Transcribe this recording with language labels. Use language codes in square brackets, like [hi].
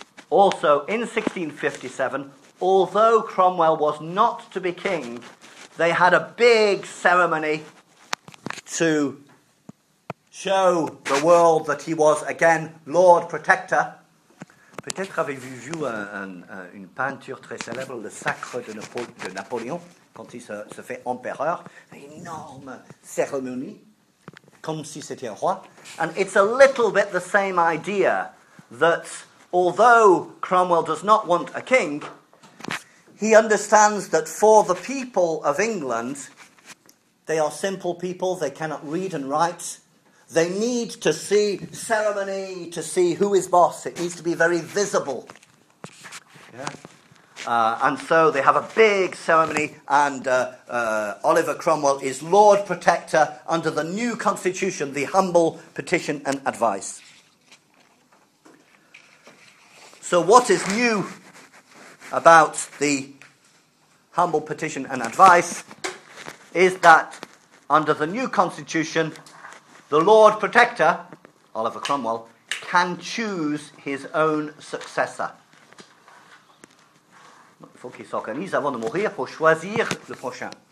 [en] Also, in 1657, although Cromwell was not to be king, they had a big ceremony to show the world that he was again Lord Protector. [fr] Peut-être avez-vous vu une peinture très célèbre, le Sacre de Napoléon, quand il se fait empereur. Énorme cérémonie, comme si c'était un roi. [en] And it's a little bit the same idea that although Cromwell does not want a king, he understands that for the people of England, they are simple people, they cannot read and write. They need to see ceremony, to see who is boss. It needs to be very visible. Yeah. And so they have a big ceremony, and Oliver Cromwell is Lord Protector under the new constitution, the humble petition and advice. So what is new about the humble petition and advice is that under the new constitution, the Lord Protector, Oliver Cromwell, can choose his own successor. [fr] Il faut qu'il s'organise avant de mourir pour choisir le prochain.